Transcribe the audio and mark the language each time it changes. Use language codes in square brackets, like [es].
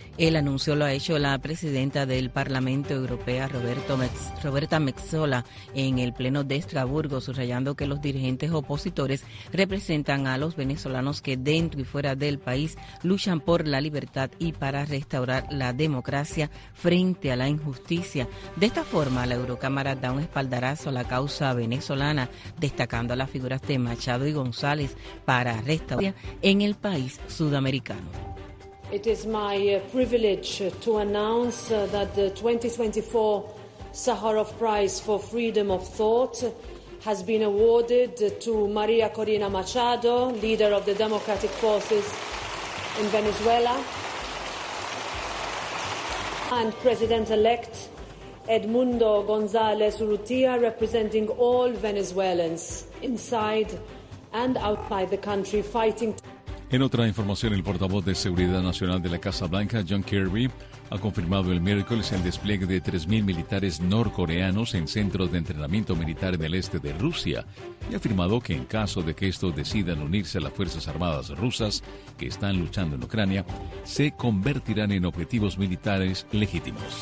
[es] El anuncio lo ha hecho la presidenta del Parlamento Europeo, Roberta Metsola, en el Pleno de Estrasburgo, subrayando que los dirigentes opositores representan a los venezolanos que dentro y fuera del país luchan por la libertad y para restaurar la democracia frente a la injusticia. De esta forma, la Eurocámara da un espaldarazo a la causa venezolana, destacando a las figuras de Machado y González para restaurar en el país sudamericano. [en] It is my privilege to announce that the 2024 Sakharov Prize for Freedom of Thought has been awarded to Maria Corina Machado, leader of the Democratic Forces in Venezuela, and President-elect Edmundo González Urrutia, representing all Venezuelans inside and outside the country fighting. [es] En otra información, el portavoz de Seguridad Nacional de la Casa Blanca, John Kirby, ha confirmado el miércoles el despliegue de 3.000 militares norcoreanos en centros de entrenamiento militar en el este de Rusia y ha afirmado que en caso de que estos decidan unirse a las Fuerzas Armadas rusas que están luchando en Ucrania, se convertirán en objetivos militares legítimos.